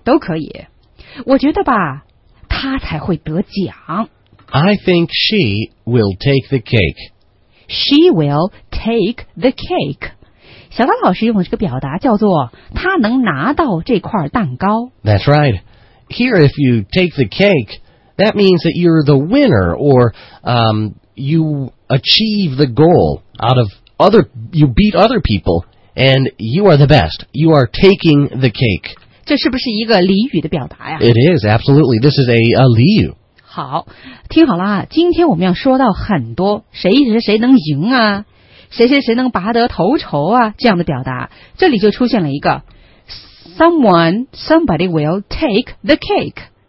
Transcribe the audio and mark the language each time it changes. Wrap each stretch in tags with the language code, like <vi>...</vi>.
<zh>都可以。我觉得吧，他才会得奖。</zh> <en>I think she will take the cake. She will take the cake.</en> <zh>小刀老师用的这个表达叫做他能拿到这块蛋糕。</zh> <en>That's right. Here, if you take the cake, that means that you're the winner or you achieve the goal out of other, you beat other people and you are the best. You are taking the cake.</en> <zh>这是不是一个俚语的表达呀？</zh> <en>It is, absolutely. This is a 俚语。</en> <zh>好，听好了啊，今天我们要说到很多谁谁谁能赢啊，谁谁谁能拔得头筹啊，这样的表达。这里就出现了一个</zh> <en>somebody will take the cake.</en>